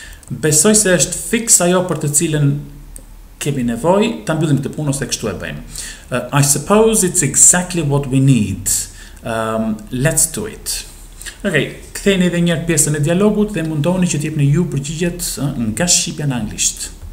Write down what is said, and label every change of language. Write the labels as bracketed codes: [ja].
[sq] Besoj se është fix ajo për të cilën kemi nevoj, ta mbyllim të punë ose kështu e bëjmë. [en] I suppose it's exactly what we need. Let's do it. [sq] Ok, këthejnë edhe njërë pjesën e dialogut dhe mundohëni që t'jepni ju përgjigjet nga Shqipja në anglishtë.